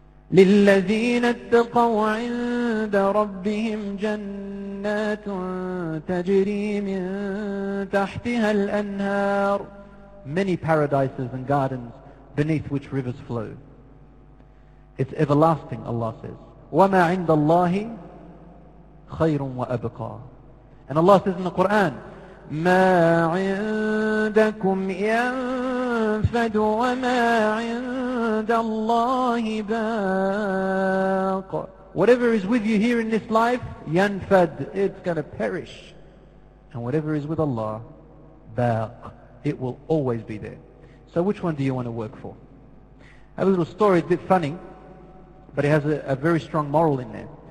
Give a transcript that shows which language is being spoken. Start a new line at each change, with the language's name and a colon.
Arabic: لِلَّذِينَ اتَّقَوْا عِنْدَ رَبِّهِمْ جَنَّاتٌ تَجْرِي مِنْ تَحْتِهَا الْأَنْهَارُ.
English: Many paradises and gardens beneath which rivers flow. It's everlasting, Allah says.
Arabic: وَمَا عِنْدَ اللَّهِ خَيْرٌ وَأَبْقَى.
English: And Allah says in the Quran,
Arabic: ما عندكم ينفد وما عند الله باق.
English: Whatever is with you here in this life, yanfad, it's going to perish. And whatever is with Allah, baq, it will always be there. So which one do you want to work for? I have a little story, a bit funny, but it has a very strong moral in there.